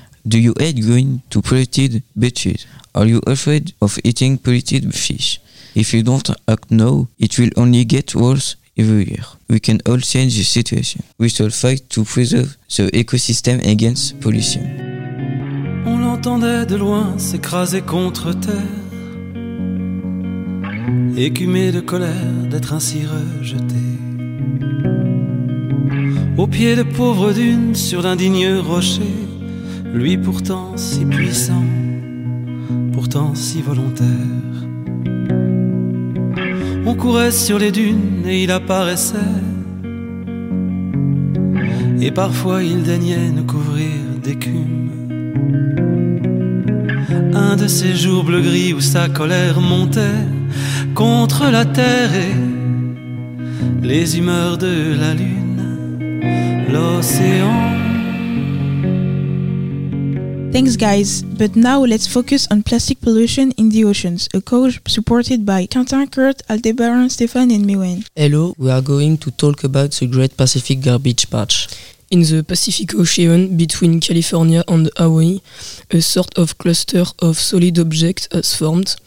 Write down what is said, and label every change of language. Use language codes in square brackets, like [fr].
[en] Do you hate going to polluted beaches? Are you afraid of eating polluted fish? If you don't act now, it will only get worse every year. We can all change the situation. We shall fight to preserve the ecosystem against pollution. [fr] On l'entendait de loin s'écraser contre terre, écumé de colère d'être ainsi rejeté, au pied de pauvres dunes sur d'indignes rochers. Lui pourtant si puissant, pourtant si volontaire. On courait sur les dunes et il apparaissait, et parfois il daignait nous couvrir d'écume. Un de ces jours bleu-gris où sa colère montait contre la terre et les humeurs de la lune, l'océan. [en] Thanks, guys. But now let's focus on plastic pollution in the oceans, a cause supported by Quentin, Kurt, Aldebaran, Stefan and Miwen. Hello, we are going to talk about the Great Pacific Garbage Patch. In the Pacific Ocean between California and Hawaii, a sort of cluster of solid objects has formed.